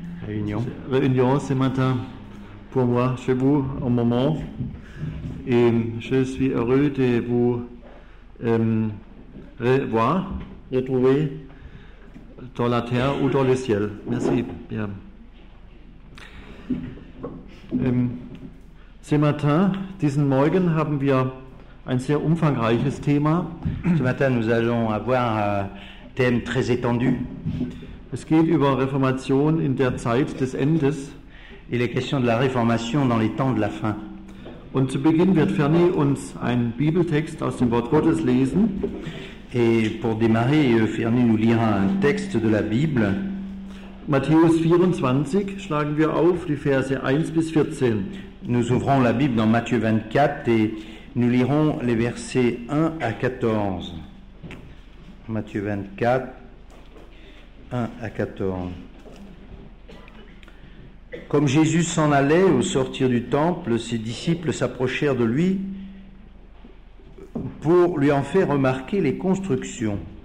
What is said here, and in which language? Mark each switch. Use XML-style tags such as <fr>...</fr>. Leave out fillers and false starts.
<fr>réunion ce matin pour moi chez vous au moment et je suis heureux de vous revoir, retrouver dans la terre ou dans le ciel. Merci bien. Ce matin,</fr> <de>diesen Morgen, haben wir ein sehr umfangreiches Thema.</de> <fr>Ce matin, nous allons avoir un thème très étendu.</fr> <de>Es geht über Reformation in der Zeit des Endes.</de> <fr>Il est question de la Réformation dans les temps de la fin.</fr> <de>Und zu Beginn wird Fernie uns einen Bibeltext aus dem Wort Gottes lesen.</de> <fr>Et pour démarrer, Fernie nous lira un texte de la Bible.</fr> <de>Matthäus 24, schlagen wir auf, die Verse 1 bis 14.</de> <fr>Nous ouvrons la Bible dans Matthieu 24 et nous lirons les versets 1 à 14. Matthieu 24, 1 à 14. Comme Jésus s'en allait au sortir du temple, ses disciples s'approchèrent de lui pour lui en faire remarquer les constructions.</fr>